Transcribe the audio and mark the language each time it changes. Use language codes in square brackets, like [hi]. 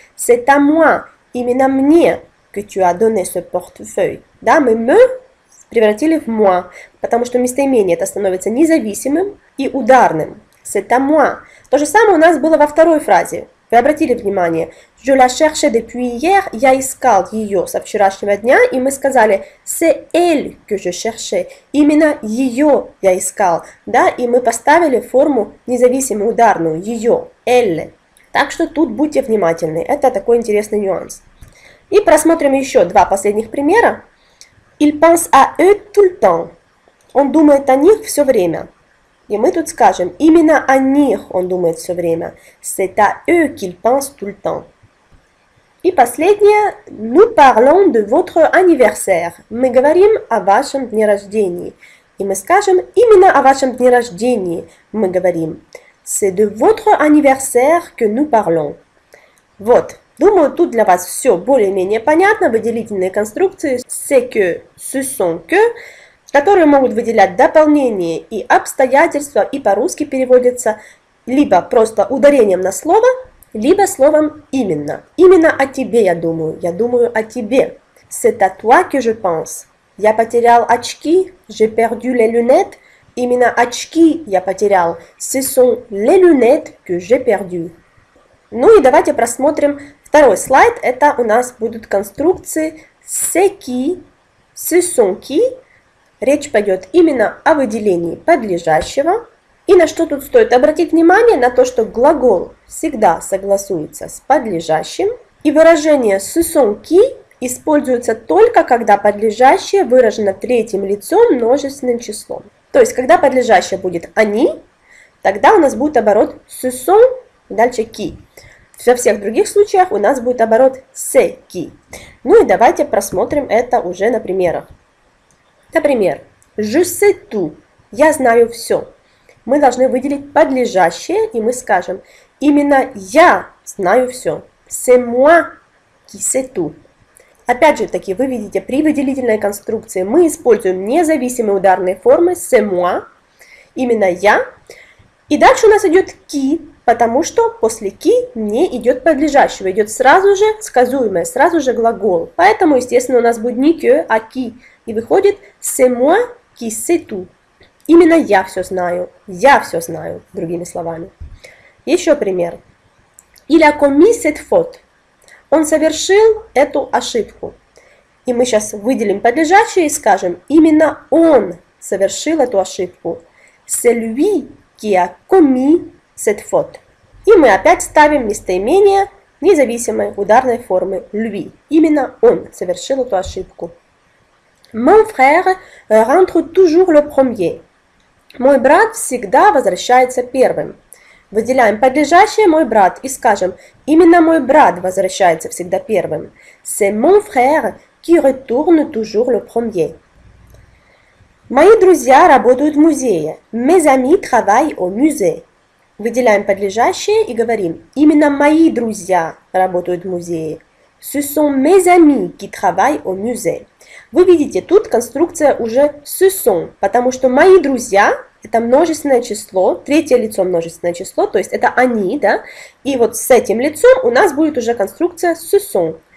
[fr] C'est à moi, [ru] именно мне, [fr] que tu as donné ce portefeuille. [ru] Да, мы «me» превратили в moi, потому что местоимение это становится независимым и ударным. [fr] C'est à moi. [ru] То же самое у нас было во второй фразе. Вы обратили внимание. [fr] Je la cherchais depuis hier. [ru] Я искал ее со вчерашнего дня. И мы сказали [fr] c'est elle que je cherchais. [ru] Именно ее я искал. Да? И мы поставили форму независимую, ударную. Ее. Elle. Так что тут будьте внимательны. Это такой интересный нюанс. И просмотрим еще два последних примера. [fr] Il pense à eux tout le temps. [ru] Он думает о них все время. И мы тут скажем, именно о них он думает все время. [fr] C'est à eux qu'il pense tout le temps. [ru] И последнее. [fr] Nous parlons de votre anniversaire. [ru] Мы говорим о вашем дне рождения. И мы скажем, именно о вашем дне рождения мы говорим. [fr] C'est de votre anniversaire que nous parlons. [ru] Вот. Думаю, тут для вас все более-менее понятно. Выделительные конструкции c'est que, ce sont que, которые могут выделять дополнение и обстоятельства, и по-русски переводятся либо просто ударением на слово, либо словом именно. Именно о тебе я думаю. Я думаю о тебе. [fr] C'est à toi que je pense. [ru] Я потерял очки. [fr] J'ai perdu les lunettes. [ru] Именно очки я потерял. [fr] Ce sont les lunettes que j'ai perdu. [ru] Ну и давайте просмотрим второй слайд. Это у нас будут конструкции c'est qui, ce sont qui. Речь пойдет именно о выделении подлежащего. И на что тут стоит обратить внимание? На то, что глагол всегда согласуется с подлежащим. И выражение ce sont qui используется только, когда подлежащее выражено третьим лицом множественным числом. То есть, когда подлежащее будет они, тогда у нас будет оборот ce sont дальше qui. Во всех других случаях у нас будет оборот c'est qui. Ну и давайте просмотрим это уже на примерах. [fr] Например, je sais tout. [ru] Я знаю все. Мы должны выделить подлежащее, и мы скажем, именно я знаю все. [fr] C'est moi qui sais tout. [ru] Опять же таки, вы видите, при выделительной конструкции мы используем независимые ударные формы c'est moi, именно я. И дальше у нас идет qui. Потому что после ки не идет подлежащего, идет сразу же сказуемое, сразу же глагол. Поэтому, естественно, у нас будет не ке, а ки. И выходит [fr] c'est moi qui sais tout. [ru] Именно я все знаю. Я все знаю, другими словами. Еще пример. [fr] Il a commis cette faute. [ru] Он совершил эту ошибку. И мы сейчас выделим подлежащее и скажем, именно он совершил эту ошибку. [fr] C'est lui qui a commis cette faute. [ru] И мы опять ставим местоимение независимой ударной формы lui. Именно он совершил эту ошибку. [fr] Mon frère rentre toujours le premier. [ru] Мой брат всегда возвращается первым. Выделяем подлежащее мой брат и скажем именно мой брат возвращается всегда первым. [fr] C'est mon frère qui retourne toujours le premier. [ru] Мои друзья работают в музее. [fr] Mes amis travaillent au musée. [ru] Выделяем подлежащее и говорим «Именно мои друзья работают в музее». [fr] Ce sont mes amis qui travaillent au musée. [ru] Вы видите, тут конструкция уже «ce sont», потому что «мои друзья» – это множественное число, третье лицо – множественное число, то есть это «они», да? И вот с этим лицом у нас будет уже конструкция «ce sont».